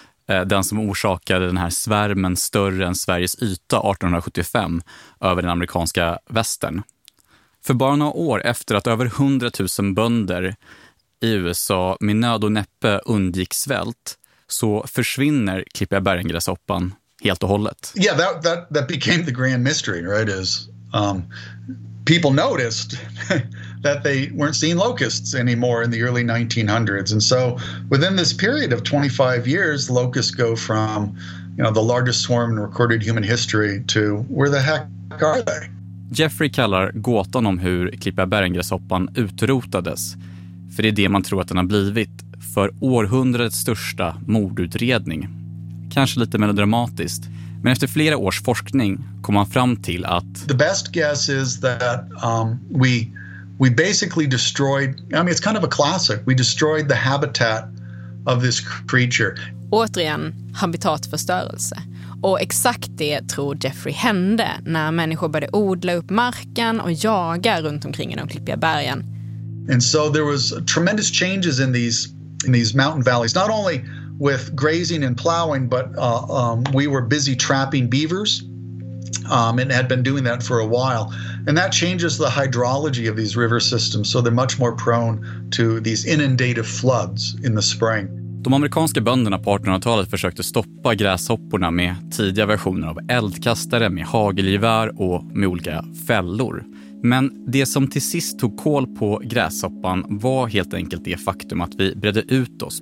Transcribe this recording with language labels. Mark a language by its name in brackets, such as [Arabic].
[Swedish] Den som orsakade den här svärmen större än Sveriges yta 1875 över den amerikanska västern. För bara några år efter att över 100 000 bönder i USA med nöd och näppe undgick svält, så försvinner klippiga bergengräshoppan helt och hållet. [English] Yeah, that became the grand mystery, right? Is people noticed that they weren't seeing locusts anymore in the early 1900s. And so within this period of 25 years, locusts go from, you know, the largest swarm in recorded human history to where the heck are they? [Swedish] Jeffrey kallar gåtan om hur klippiga bergengräshoppan utrotades, för det är det man tror att den har blivit, för århundradets största mordutredning. Kanske lite melodramatiskt, men efter flera års forskning kom man fram till att... [English] The best guess is that we basically destroyed, I mean it's kind of a classic, we destroyed the habitat of this creature. [Swedish] Återigen, habitatförstörelse. Och exakt det tror Jeffrey hände när människor började odla upp marken och jaga runt omkring i de klippiga bergen. [English] And so there was tremendous changes in these mountain valleys, not only with grazing and plowing, but we were busy trapping beavers and had been doing that for a while. And that changes the hydrology of these river systems, so they're much more prone to these inundative floods in the spring. [Swedish] De amerikanska bönderna på 1800-talet försökte stoppa gräshopporna med tidiga versioner av eldkastare, med hagelgevär och med olika fällor. Men det som till sist tog koll på gräshoppan var helt enkelt det faktum att vi bredde ut oss.